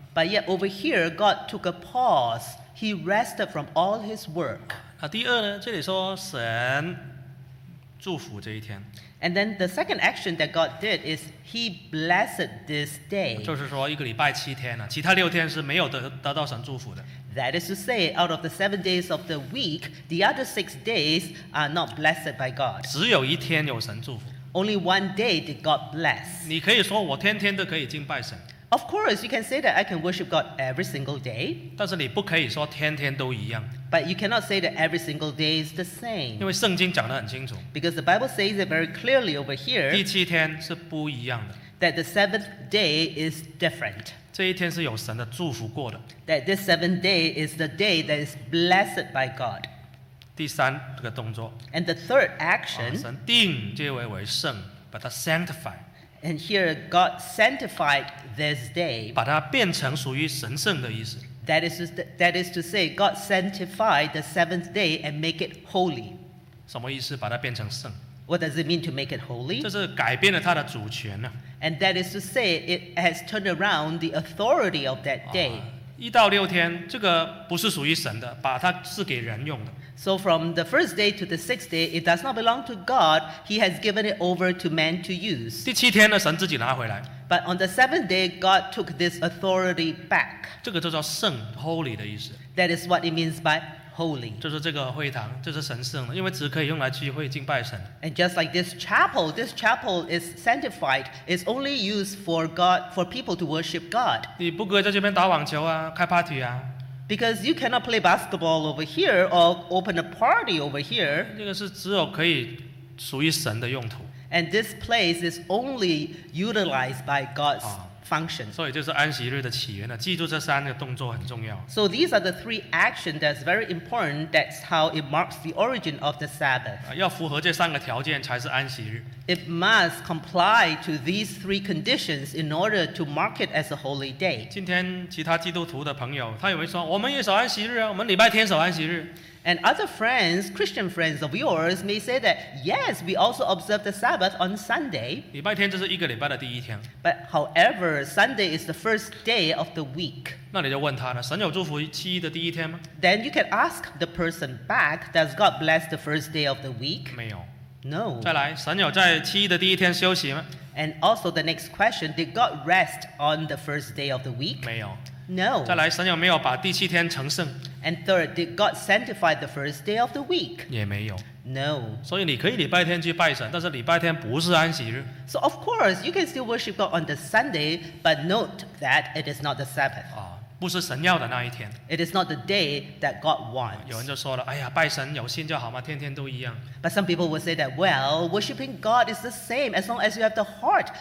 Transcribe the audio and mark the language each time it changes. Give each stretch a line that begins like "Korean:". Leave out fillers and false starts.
English: But yet over here, God took a pause. He rested from all his work.
Chinese: 第二呢，这里说神祝福这一天。
English: And then the second action that God did is He blessed this day.
Chinese: 就是说一个礼拜七天了，其他六天是没有得到神祝福的。
English: That is to say, out of the 7 days of the week, the other 6 days are not blessed by God.
Chinese: 只有一天有神祝福。
English: Only one day did God bless.
Chinese: 你可以说我天天都可以敬拜神。
English: Of course, you can say that I can worship God every single day.
Chinese: 但是你不可以说天天都一样。
English: But you cannot say that every single day is the same.
Chinese: 因为圣经讲得很清楚。
English: Because the Bible says it very clearly over here.
Chinese: 第七天是不一样的。
English: That the seventh day is different.
Chinese: 这一天是有神的祝福过的。
English: That this seventh day is the day that is blessed by God.
Chinese: 第三个动作。
English: And the third action.
Chinese: 神定这位为圣,
English: but sanctify. And here, God sanctified this day.
Chinese: 把它变成属于神圣的意思。
English: That is to say, God sanctified the seventh day and make it holy.
Chinese: 什么意思?把它变成圣。
English: What does it mean to make it holy?
Chinese: 这是改变了它的主权啊。
English: And that is to say, it has turned around the authority of that day.
Chinese: 一到六天, 这个不是属于神的, 把它赐给人用的。
English: So from the first day to the sixth day, it does not belong to God. He has given it over to man to use.
Chinese: 第七天呢, 神自己拿回来。
English: But on the seventh day, God took this authority back.
Chinese: 这个就叫圣, holy的意思。
English: That is what it means by holy.
Chinese: 就是这个会堂, 这是神圣的, 因为只可以用来聚会敬拜神。
English: And just like this chapel is sanctified. It's only used for God, for people to worship God.
Chinese: 你不可以在这边打网球啊, 开party啊。
English: Because you cannot play basketball over here or open a party over here.
Chinese: 这个是只有可以属于神的用途。
English: And this place is only utilized by God's function.
Chinese: 所以就是安息日的起源了，记住这三个动作很重要。
English: So these are the three actions that's very important. That's how it marks the origin of the Sabbath.
Chinese: 要符合这三个条件才是安息日。
English: It must comply to these three conditions in order to mark it as a holy day.
Chinese: 今天其他基督徒的朋友，他也会说，我们也守安息日啊，我们礼拜天守安息日。
English: And other friends, Christian friends of yours, may say that, yes, we also observe the Sabbath on Sunday.
Chinese: 礼拜天就是一个礼拜的第一天。
English: But however, Sunday is the first day of the week.
Chinese: 那你就问他了, 神有祝福七一的第一天吗?
English: Then you can ask the person back, does God bless the first day of the week?
Chinese: 没有。
English: No.
Chinese: 再来, 神有在七一的第一天休息吗?
English: And also the next question, did God rest on the first day of the week?
Chinese: 没有。
English: No.
Chinese: 再来, 神有没有把第七天成圣?
English: And third, did God sanctify the first day of the week?
Chinese: 也没有。
English: No.
Chinese: 所以你可以礼拜天去拜神，但是礼拜天不是安息日。
English: So of course, you can still worship God on the Sunday, but note that it is not the Sabbath.
Chinese: 不是神要的那一天。
English: It is not the day that God wants.
Chinese: 有人就说了，哎呀，拜神有心就好嘛，天天都一样。
English: But some people will say that, well, worshiping God is the same as long as you have the heart.